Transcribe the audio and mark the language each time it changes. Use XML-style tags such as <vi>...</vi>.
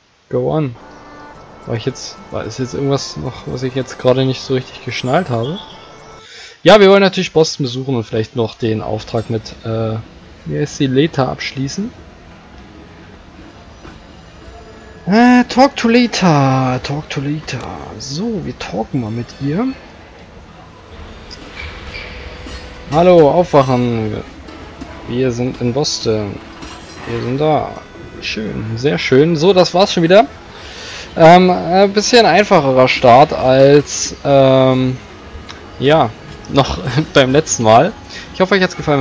<de>War es jetzt irgendwas noch, was ich jetzt gerade nicht so richtig geschnallt habe? Ja, wir wollen natürlich Boston besuchen und vielleicht noch den Auftrag mit wie heißt sie, Leta abschließen.</de> <en>Talk to Lita, talk to Lita.</en> <de>So, wir talken mal mit ihr. Hallo, aufwachen. Wir sind in Boston. Wir sind da. Schön, sehr schön. So, das war's schon wieder. Ein bisschen einfacherer Start als, noch beim letzten Mal. Ich hoffe, euch hat's gefallen.</de>